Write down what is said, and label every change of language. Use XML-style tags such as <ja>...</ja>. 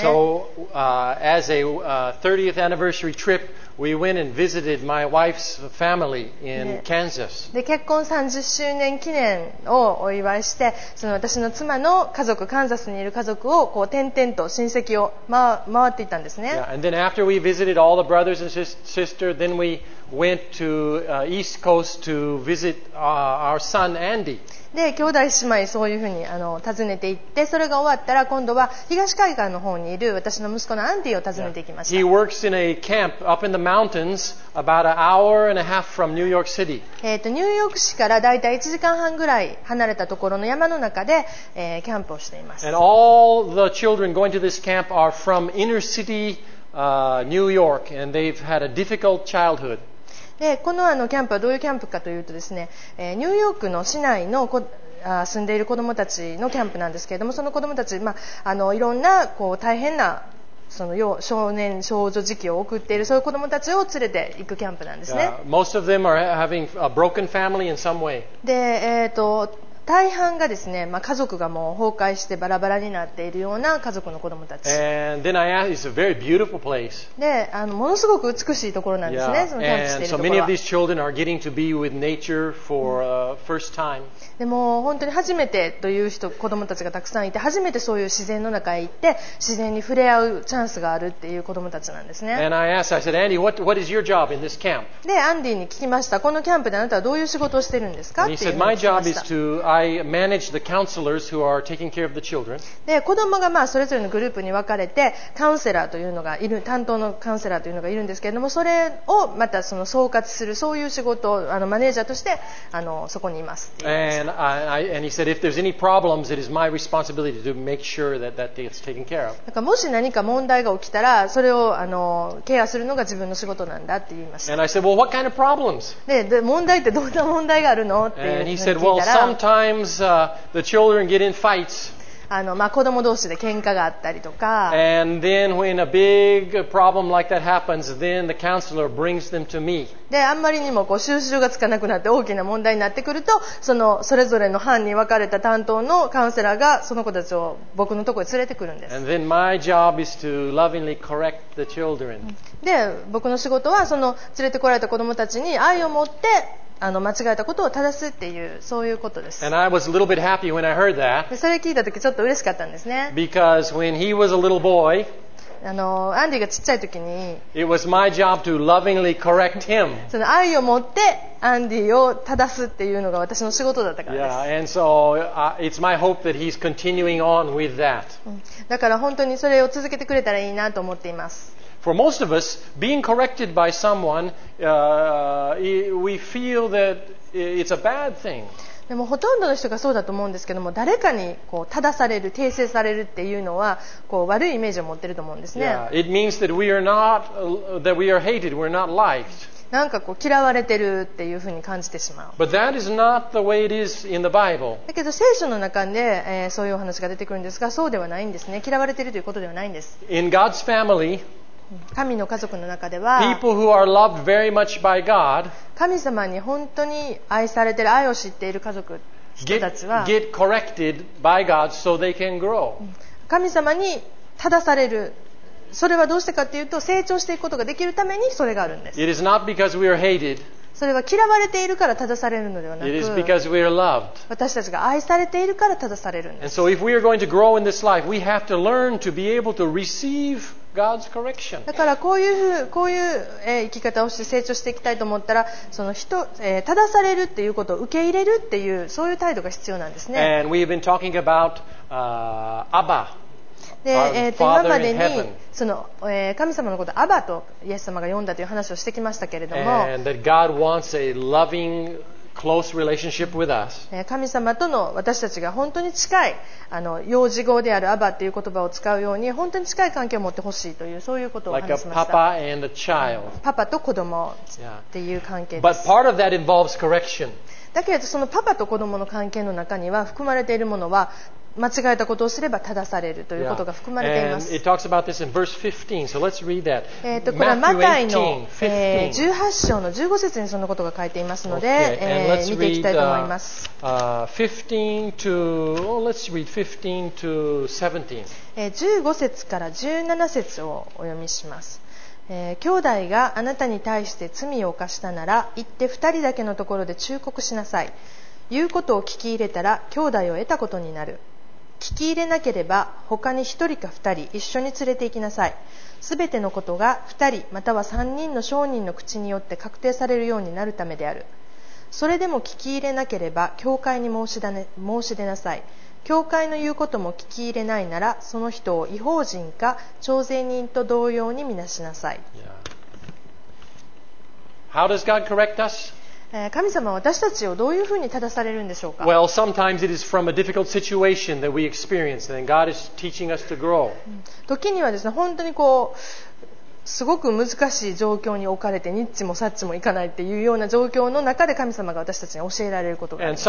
<en>So, as a 30th anniversary trip, we went and visited my wife's family in Kansas.</en> <ja>で、結婚30周年記念をお祝いして、その私の妻の家族、カンザスにいる家族をこう点々と親戚を回っていたんですね。</ja> <en>Yeah, and then after we visited all the brothers and sisters, then weWent to East Coast to visit our son Andy.</en> <ja>で、兄弟姉妹そういうふうに訪ねて行って、それが終わったら今度は東海岸の方にいる私の息子のアンディを訪ねていきました。</ja> <en>He works in a camp up in the mountains, about an hour and a half from New York City.</en> <ja>ニューヨーク市からだいたい1時間半ぐらい離れたところの山の中で、キャンプをしています。</ja> <en>And all the children going to this camp are from inner city New York, and they've had a difficult childhood.</en> <ja>でこ の, キャンプはどういうキャンプかというとですね、ニューヨークの市内の住んでいる子どもたちのキャンプなんですけれども、その子どもたち、まあ、いろんなこう大変なその少年少女時期を送っている、そういう子どもたちを連れて行くキャンプなんですね。</ja> <en>Most of them are having a broken family in some way.</en> <ja>で、大半がですね、まあ、家族がもう崩壊してバラバラになっているような家族の子供たち。</ja> <en>And then I asked, it's a very beautiful place.</en> <ja>で、ものすごく美しいところなんですね、</ja> <en>yeah.</en> <ja>そのキャンプしているところは。</ja> <en>And so many of these children are getting to be with nature for first time.</en> <ja>でも本当に初めてという人、子供たちがたくさんいて、初めてそういう自然の中へ行って自然に触れ合うチャンスがあるっていう子供たちなんですね。</ja> <en>And I asked, I said, Andy, what is your job in this camp?</en> <ja>で、アンディに聞きました。このキャンプであなたはどういう仕事をしてるんですか？って聞きました。</ja> <en>And he said, my job is to I manage the counselors who are taking care of the children.</en> <ja>で、子供がまあそれぞれのグループに分かれて、カウンセラーというのがいる、担当のカウンセラーというのがいるんですけれども、それをまたその総括するそういう仕事をマネージャーとしてそこにいます。</ja> <en>And he said if there's any problems, it is my responsibility to make sure that it's taken care of.</en> <ja>だからもし何か問題が起きたら、それをケアするのが自分の仕事なんだって言いました。</ja> <en>And I said, well, what kind of problems?</en> <ja>で、問題ってどんな問題があるのって聞いたら、</ja> <en>And he said, well, sometimes. The children get in fights.</en> <ja>まあ、子供同士で喧嘩があったりとか。</ja> <en>And then when a big problem like that happens, then the counselor brings them to me.</en> <ja>で、あんまりにもこう収拾がつかなくなって大きな問題になってくると、それぞれの班に分かれた担当のカウンセラーがその子たちを僕のところに連れてくるんです。</ja> <en>And then my job is to lovingly correct the children.</en> <ja>で、僕の仕事はその連れてこられた子供たちに愛を持って間違えたことを正すっていう、そういうことです。</ja> <en>And I was a little bit happy when I heard that.</en> <ja>それ聞いたときちょっと嬉しかったんですね。</ja> <en>Because when he was a little boy,</en> <ja>アンディがちっちゃいときに、</ja> <en>it was my job to lovingly correct him.</en> <ja>その愛を持ってアンディを正すっていうのが私の仕事だったからです。</ja> <en>Yeah, and so it's my hope that he's continuing on with that.</en> <ja>だから本当にそれを続けてくれたらいいなと思っています。</ja> <en>For most of us, being corrected by someone, we feel that it's a bad thing.</en> <ja>でもほとんどの人がそうだと思うんですけども、誰かにこう正される、訂正されるっていうのはこう悪いイメージを持ってると思うんですね。</ja> <en>Yeah, it means that we are not, that we are hated, we're not liked.</en> <ja>なんかこう嫌われてるっていう風に感じてしまう。</ja> <en>But that is not the way it is in the Bible.</en> <ja>だけど聖書の中で、そういうお話が出てくるんですが、そうではないんですね。嫌われてるということではないんです。</ja> <en>In God's family,</en> <ja>神の家族の中では、</ja> <en>people who are loved very much by God,</en> <ja>神様に本当に愛されてる、愛を知っている家族、人たちは、</ja> <en>get corrected by God so they can grow.</en> <ja>神様に正される。それはどうしてかというと、成長していくことができるためにそれがあるんです。</ja> <en>It is not because we are hated.</en> <ja>それは嫌われているから正されるのではなく、</ja> <en>It is because we are loved.</en> <ja>私たちが愛されているから正されるんです。</ja> <en>And so if we are going to grow in this life, we have to learn to be able to receive God's correction.</en> <ja>だからこういう生き方をして成長していきたいと思ったら、その人、正されるっていうことを受け入れるっていう、そういう態度が必要なんですね。</ja> <en>And we've been talking about, Abba.</en> <ja>で今までにその、神様のことアバとイエス様が呼んだという話をしてきましたけれども、</ja> <en>And that God wants a loving, close relationship with us.</en> <ja>神様との私たちが本当に近い幼児語であるアバという言葉を使うように本当に近い関係を持ってほしいというそういうことを話しました。</ja> <en>Like a papa and a child.</en> <ja>パパと子供っていう関係です。</ja> <en>But part of that involves correction.</en> <ja>だけどそのパパと子供の関係の中には含まれているものは間違えたことをすれば正されるということが含まれています。</ja> <en>And it talks about this in verse 15, so let's read that.</en> <ja>これはマタイの18章の15節にそのことが書いていますので、見ていきたいと思います。</ja> <en>let's read 15 to 17.</en> <ja>15節から17節をお読みします。兄弟があなたに対して罪を犯したなら、行って2人だけのところで忠告しなさい。言うことを聞き入れたら兄弟を得たことになる。聞き入れなければ他に一人か二人一緒に連れて行きなさい。すべてのことが二人または三人の証人の口によって確定されるようになるためである。それでも聞き入れなければ教会に申し出なさい。教会の言うことも聞き入れないならその人を異邦人か徴税人と同様にみなしなさい。</ja> <en>How does God correct us?</en> <ja>神様は私たちをどういうふうに正されるんでしょうか。</ja> <en>Well, sometimes it is from a difficult situation that we experience, and God is teaching us to grow.</en> <ja>時にはですね、本当にこうすごく難しい状況に置かれてニッチもサッチもいかないっていうような状況の中で神様が私たちに教えられることがあります。</ja>